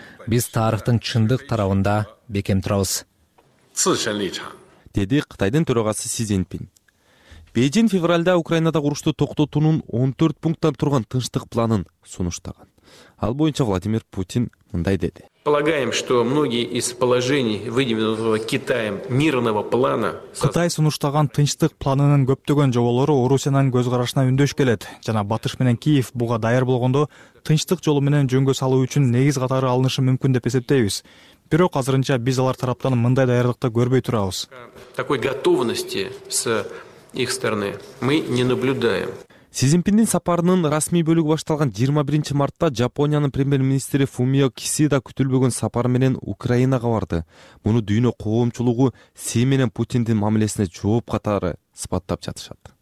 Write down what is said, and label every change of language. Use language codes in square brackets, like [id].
[ky] Биз тарыхтын чындык тарабында бекем турабыз. Деди Кытайдын төрагасы Си Цзиньпин. Бээжин февралда Украинада урушту токтотуунун 14 пункттан турган тынчтык планын сунуштаган. Ал боюнча Владимир Путин мындай деди. [ru] Полагаем, что многие из положений, выдвинутого Китаем мирного плана, [ky] Кытай сунуштаган тынчтык планынын көптөгөн жоболору Орусиянын көз карашына үндөш келет жана Батыш менен Киев буга даяр болгондо тынчтык жолу менен жөнгө салуу үчүн негиз катары алынышы мүмкүн деп эсептейбиз. Бирок азырынча биз алар тараптан мындай даярдыкты көрбөй турабыз. [ru] Такой готовности с их стороны мы не наблюдаем. [ky] Си Цзиньпиндин сапарынын расмий бөлүгү башталган 21 мартта Жапониянын премьер-министри Фумио Кисида күтүлбөгөн сапар менен Украинага барды. Муну дүйнө коомчулугу Си менен Путиндин мамилесине жооп катары сыпаттап жатышат.